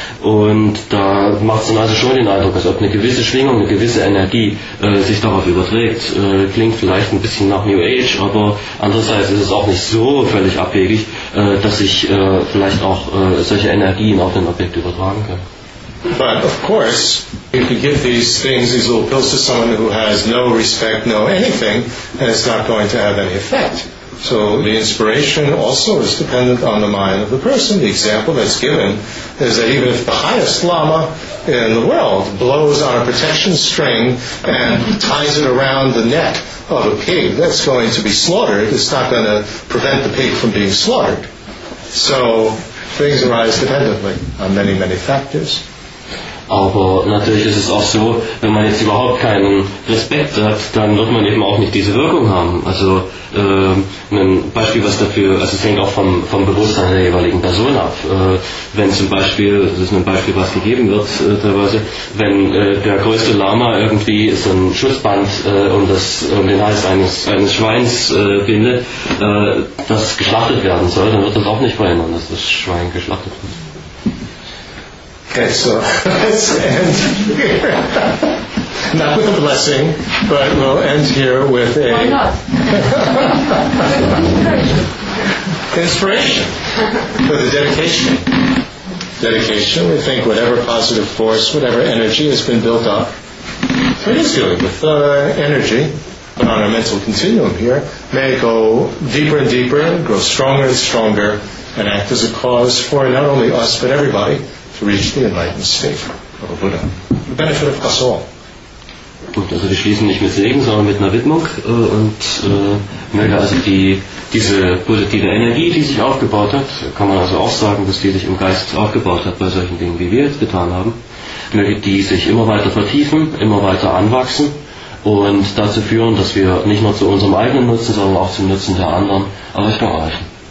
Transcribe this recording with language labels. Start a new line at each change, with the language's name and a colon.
German: Und da macht es dann also schon den Eindruck, als ob eine gewisse Schwingung, eine gewisse Energie sich darauf überträgt. Klingt vielleicht ein bisschen nach New Age, aber andererseits ist es auch nicht so völlig abwegig, dass sich vielleicht auch solche Energien auf ein Objekt übertragen können.
English: But of course, if you give these things, these little pills to someone who has no respect, no anything, then it's not going to have any effect. So the inspiration also is dependent on the mind of the person. The example that's given is that even if the highest lama in the world blows on a protection string and ties it around the neck of a pig that's going to be slaughtered, it's not going to prevent the pig from being slaughtered. So things arise dependently on many, many factors.
German: Aber natürlich ist es auch so, wenn man jetzt überhaupt keinen Respekt hat, dann wird man eben auch nicht diese Wirkung haben. Also ein Beispiel, was dafür, also es hängt auch vom Bewusstsein der jeweiligen Person ab. Wenn zum Beispiel, das ist ein Beispiel, was gegeben wird teilweise, wenn der größte Lama irgendwie so ein Schussband um den Hals eines Schweins bindet, das geschlachtet werden soll, dann wird das auch nicht verhindern, dass das Schwein geschlachtet wird.
English: Okay, so let's end here. Not with a blessing, but we'll end here with a... Why not? Inspiration for the dedication. Dedication, we think whatever positive force, whatever energy has been built up, it is good with the energy on our mental continuum here, may it go deeper and deeper, grow stronger and stronger, and act as a cause for not only us, but everybody, reach the enlightened state of a Buddha. The benefit of us all.
German: Also wir schließen nicht mit Segen, sondern mit einer Widmung und möge also diese positive Energie, die sich aufgebaut hat, kann man also auch sagen, dass die sich im Geist aufgebaut hat bei solchen Dingen, wie wir jetzt getan haben, möge die sich immer weiter vertiefen, immer weiter anwachsen und dazu führen, dass wir nicht nur zu unserem eigenen Nutzen, sondern auch zum Nutzen der anderen erreichen.